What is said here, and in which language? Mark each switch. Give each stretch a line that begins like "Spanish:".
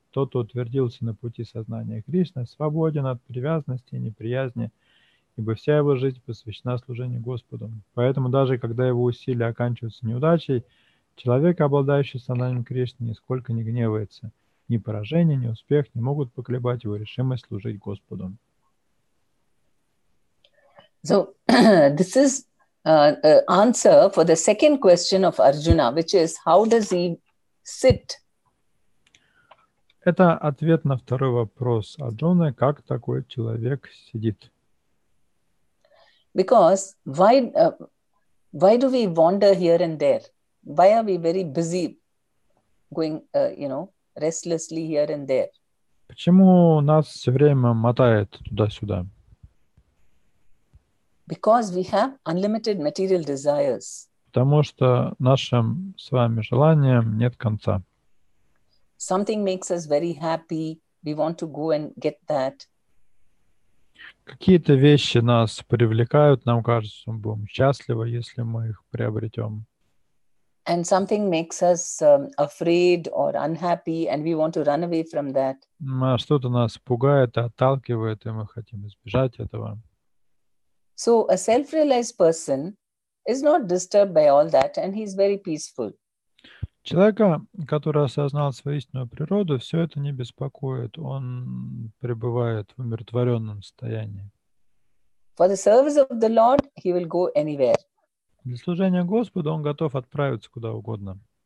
Russian: Тот, кто утвердился на пути сознания Кришны, свободен от привязанности и неприязни, ибо вся его жизнь посвящена служению Господу. Поэтому даже когда его усилия оканчиваются неудачей, человек, обладающий сознанием Кришны, нисколько не гневается. Ни поражение, ни успех не могут поколебать его решимость служить Господу.
English: So, this is answer for the second question of Arjuna, which is, how does he sit?
Russian: Это ответ на второй вопрос Арджуны, как такой человек сидит?
English: Because, why do we wander here and there? Why are we very busy going, restlessly here and there?
Russian: Почему нас все время мотает туда-сюда?
English: Because we have unlimited material desires.
Russian: Потому что нашим с вами желаниям нет конца.
English: Something makes us very happy. We want to go and get that.
Russian: Какие-то вещи нас привлекают, нам кажется, что мы будем счастливы, если мы их приобретем.
English: And something makes us afraid or unhappy, and we want to run away from that.
Russian: Что-то нас пугает, отталкивает, и мы хотим избежать этого.
English: So a self-realized person is not disturbed by all that, and he's very peaceful.
Russian: Человека, который осознал свою истинную природу, все это не беспокоит. Он пребывает в умиротворенном состоянии.
English: For the service of the Lord, he will go anywhere.
Russian: Для служения Господу он готов отправиться куда угодно.